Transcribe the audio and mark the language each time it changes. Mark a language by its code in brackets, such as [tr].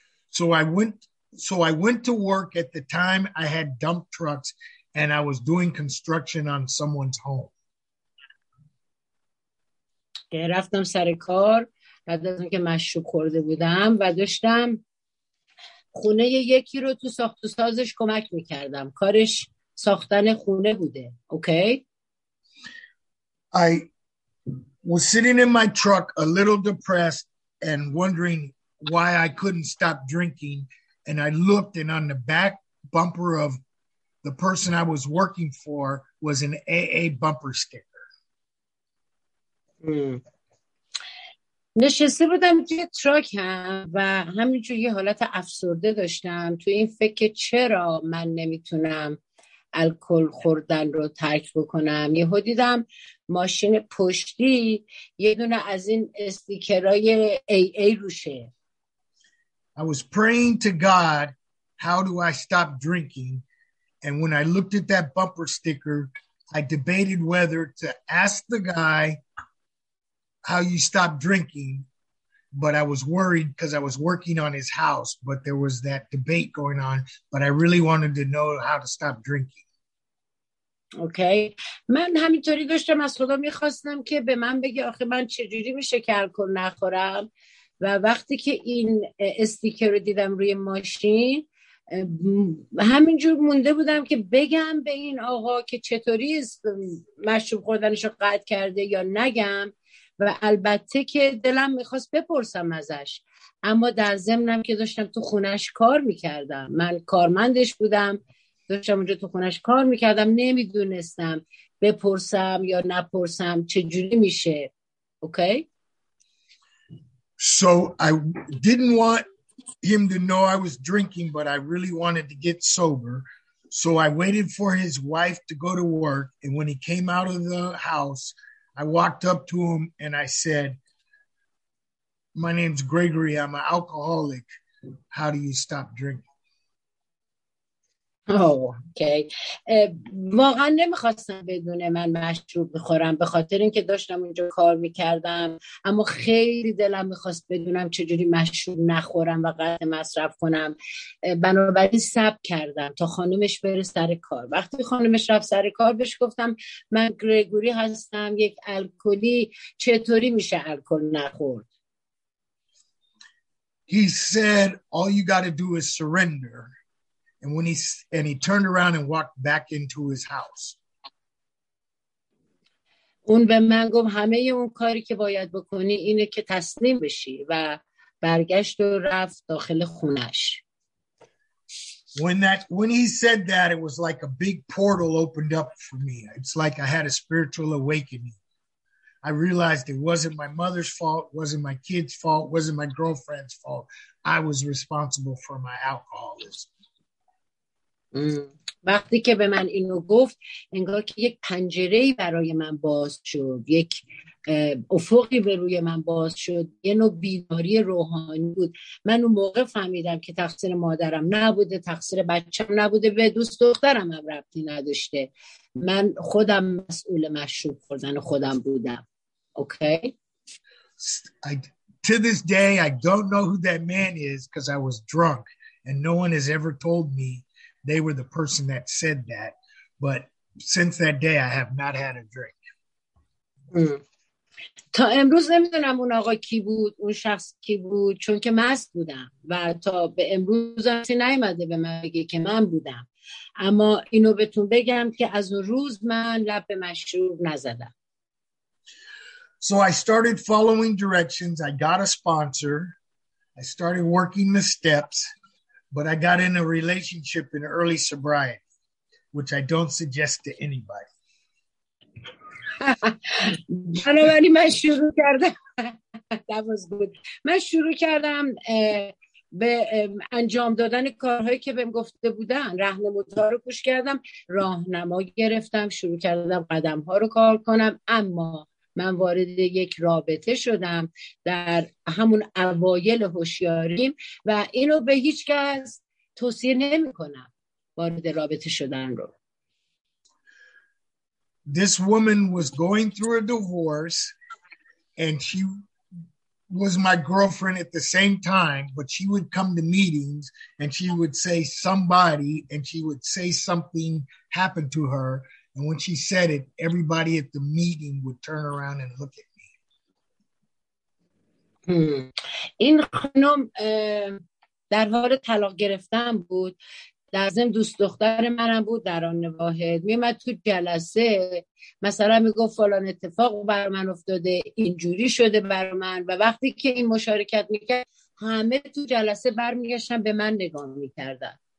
[en] So I went to work. At the time I had dump trucks and I was doing construction on someone's home. [fa] رفتم سر کار بعد از اینکه مشروب خورده بودم و داشتم خونه یکی رو تو ساخت و سازش کمک میکردم. کارش ساختن خونه بوده. اوکی. [en] I was sitting in my truck a little depressed and wondering why I couldn't stop drinking. And I looked, and on the back bumper of the person I was working for was an AA bumper sticker. [fa] نشسته بودم توی تراکم و همینجور یه حالت افسرده داشتم تو این فکر چرا من نمیتونم الکل خوردن رو ترک بکنم. یهو دیدم ماشین پشتی یه دونه از این استیکرهای AA روشه. [en] I was praying to God, how do I stop drinking? And when I looked at that bumper sticker, I debated whether to ask the guy how you stop drinking, but I was worried because I was working on his house, but there was that debate going on, but I really wanted to know how to stop drinking. Okay. [fa] من همینطوری داشتم از خدا میخواستم که به من بگه آخه من چجوری میشه که الکل نخورم، و وقتی که این استیکر رو دیدم روی ماشین همینجور مونده بودم که بگم به این آقا که چطوری مشروب خوردنش رو قطع کرده یا نگم، و البته که دلم میخواست بپرسم ازش، اما در ضمنم که داشتم تو خونش کار میکردم، من کارمندش بودم، داشتم اونجا تو خونش کار میکردم، نمیدونستم بپرسم یا نپرسم چجوری میشه. اوکی. [en] So I didn't want him to know I was drinking, but I really wanted to get sober. So I waited for his wife to go to work. And when he came out of the house, I walked up to him and I said, my name's Gregory. I'm an alcoholic. How do you stop drinking? Oh, okay. [fa] واقعا نمیخواستم بدون من مشروب بخورم به خاطر اینکه داشتم اونجا کار میکردم، اما خیلی دلم میخواست بدونم چجوری مشروب نخورم و قطع مصرف کنم. بنابراین صبر کردم تا خانومش بره سر کار. وقتی خانومش رفت سر کار بهش گفتم من گریگوری هستم، یک الکلی، چطوری میشه الکل نخورد؟ [en] He said all you gotta do is surrender. And when he turned around and walked back into his house. [fa] اون به من گفت همه اون کاری که باید بکنی اینه که تسلیم بشی، و برگشت و رفت داخل خونش. [en] When he said that, it was like a big portal opened up for me. It's like I had a spiritual awakening. I realized it wasn't my mother's fault, wasn't my kids' fault, wasn't my girlfriend's fault. I was responsible for my alcoholism. [fa] وقتی که به من اینو گفت انگار که یک پنجره‌ای برای من باز شد، یک افقی به روی من باز شد، یه نوع بیداری روحانی بود. من اون موقع فهمیدم که تقصیر مادرم نبوده، تقصیر بچم نبوده، به دوست دخترم هم ربطی نداشته. من خودم مسئول مشروب خوردن خودم بودم. اوکی؟ [en] To this day, I don't know who that man is because I was drunk and no one has ever told me they were the person that said that. But since that day, I have not had a drink. [fa] تا امروز نمیدونم اون آقا کی بود، اون شخص کی بود، چون که مست بودم و تا به امروز هستی نیمده به من بگه که من بودم. اما اینو بهتون بگم که از اون روز من لب به مشروب نزدم. [en] So I started following directions. I got a sponsor. I started working the steps, but I got in a relationship in early sobriety, which I don't suggest to anybody. [fa] بنابراین من شروع کردم. [en] That was good. [fa] من شروع کردم به انجام دادن کارهایی که بهم گفته بودن. راهنمودها رو گوش کردم، راهنما گرفتم، شروع کردم قدم‌ها رو کار کنم. اما من وارد یک رابطه شدم در همون اوایل هوشیاریم و اینو به هیچ کس توصیه نمی کنم، وارد رابطه شدن رو. [en] This woman was going through a divorce and she was my girlfriend at the same time, but she would come to meetings and she would say somebody and she would say something happened to her. And when she said it, everybody at the meeting would turn around and look at me. [fa] این خانم در حال طلاق گرفتن بود، در زم دوست دختر منم بود در آن واحد. میمد تو جلسه مثلا میگفت فلان اتفاق بر من افتاده، اینجوری شده بر من، و وقتی که این مشارکت میکرد همه تو جلسه برمیگشتن به من نگاه میکردن.